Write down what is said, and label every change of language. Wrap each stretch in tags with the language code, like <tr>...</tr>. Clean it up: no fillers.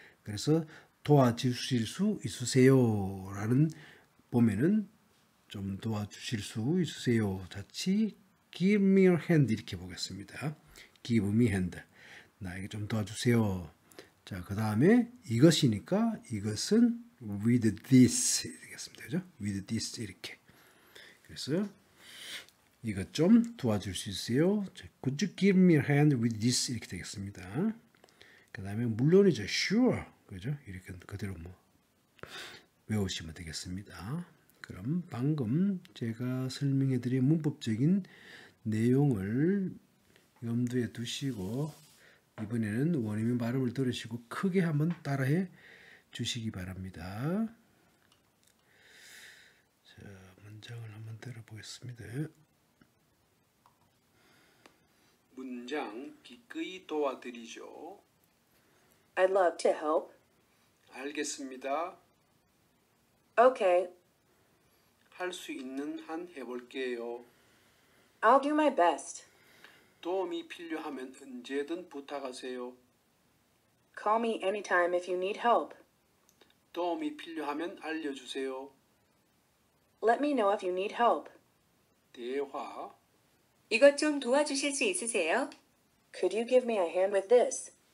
<ko>그래서 도와주실 수 있으세요 라는 보면은 좀 도와주실 수 있으세요 자치 give me a hand 이렇게 보겠습니다. give me hand 나에게 좀 도와주세요. 자, 그 다음에 이것이니까 이것은 with this 되겠습니다. 그죠? with this 이렇게 그래서 이것 좀 도와줄 수 있으세요.</ko> <en>could you give me a hand with this 이렇게 되겠습니다.</en> <ko>그 다음에 물론이죠. sure 그죠? 이렇게 그대로 뭐 외우시면 되겠습니다. 그럼 방금 제가 설명해드린 문법적인 내용을 염두에 두시고 이번에는 원어민 발음을 들으시고 크게 한번 따라해 주시기 바랍니다. 자, 문장을 한번 만들어 보겠습니다. 문장 기꺼이 도와드리죠.</ko> <en>I'd love to help.</en> <ko>알겠습니다.</ko> <en>Okay.</en> <ko>할 수 있는 한 해볼게요.</ko> <en>I'll do my best.</en> <ko>도움이 필요하면 언제든 부탁하세요.</ko> <en>Call me anytime if you need help.</en> <ko>도움이 필요하면 알려주세요.</ko> <en>Let me know if you need help.</en> <ko>대화. 이것 좀 도와주실 수 있으세요?</ko> <en>Could you give me a hand with this?</en>